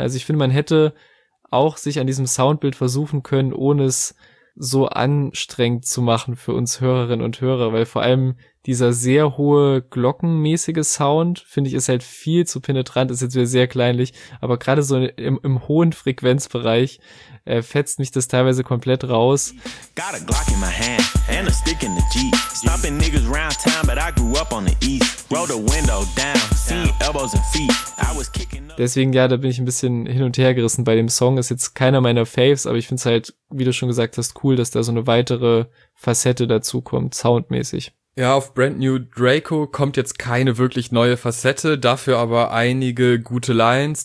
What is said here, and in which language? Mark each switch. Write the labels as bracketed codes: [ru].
[de] Also ich finde, man hätte auch sich an diesem Soundbild versuchen können, ohne es so anstrengend zu machen für uns Hörerinnen und Hörer, weil vor allem dieser sehr hohe glockenmäßige Sound, finde ich, ist halt viel zu penetrant, ist jetzt wieder sehr kleinlich, aber gerade so im hohen Frequenzbereich fetzt mich das teilweise komplett raus. [en] Got a Glock in my hand and a stick in the Jeep. Stopping niggas round town, but I grew up on the east. Roll the window down, see elbows and feet. I was kicking up. [de] Deswegen, ja, da bin ich ein bisschen hin und her gerissen bei dem Song. Ist jetzt keiner meiner Faves, aber ich finde es halt, wie du schon gesagt hast, cool, dass da so eine weitere Facette dazukommt, soundmäßig. Ja, auf Brand New Draco kommt jetzt keine wirklich neue Facette, dafür aber einige gute Lines.